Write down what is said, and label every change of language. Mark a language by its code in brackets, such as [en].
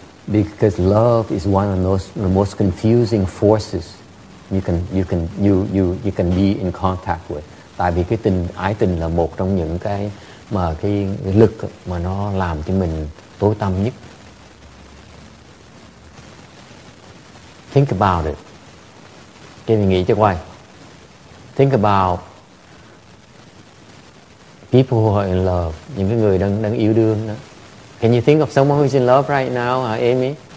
[en] Because love is one of the most confusing forces you can be in contact with. [vi] Tại vì cái tình ái tình là một trong những cái mà cái lực mà nó làm cho mình tối tăm nhất. [en] Think about it. [vi] Cái mình nghĩ cho quay. [en] Think about people who are in love. [vi] Những cái người đang yêu đương đó. [en] Can you think of someone who's in love right now, Amy?